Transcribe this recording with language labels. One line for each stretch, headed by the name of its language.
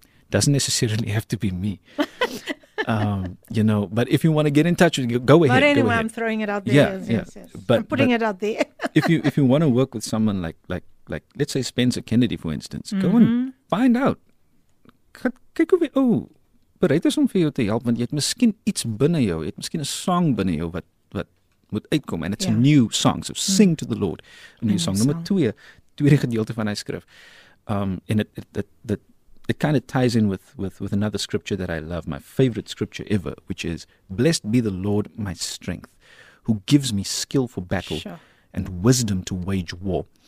English: Doesn't necessarily have to be me. but if you want to get in touch, go ahead. But anyway, I'm throwing it out there. I'm putting it out there. if you want to work with someone like let's say Spencer Kennedy, for instance, go and find out.
Afrikaans: Kyk hoe bereid is om vir jou te help, want jy het miskien iets binne jou, jy het miskien 'n song binne jou wat moet uitkom,
English: and it's a new song. So sing to the Lord. A new song.
Afrikaans: Nummer 2, tweede gedeelte van hy skrif.
English: And it kind of ties in with another scripture that I love, my favorite scripture ever, which is, blessed be the Lord, my strength, who gives me skill for battle and wisdom to wage war.